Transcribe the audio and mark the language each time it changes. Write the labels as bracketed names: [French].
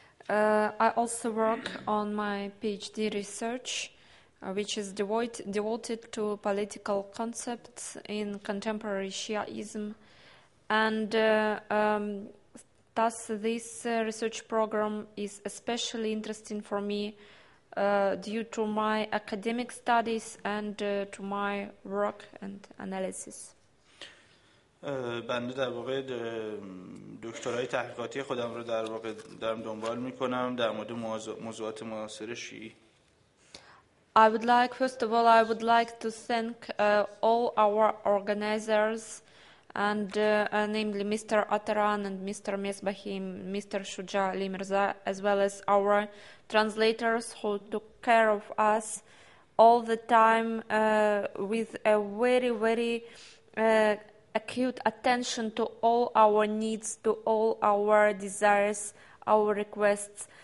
[English] I also work on my PhD research, which is devoted to political concepts in contemporary Shiaism, and thus this research program is especially interesting for me due to my academic studies and to my work and analysis. [Persian] بنده در واقع دکترای تحقیقاتی خودم رو در واقع دارم دنبال میکنم در مورد موضوعات معاصر شیعی. [English] I would like, first of all, I would like to thank all our organizers and namely Mr. Ataran and Mr. Mesbahim, Mr. Shuja Ali Mirza, as well as our translators who took care of us all the time with a very, very acute attention to all our needs, to all our desires, our requests.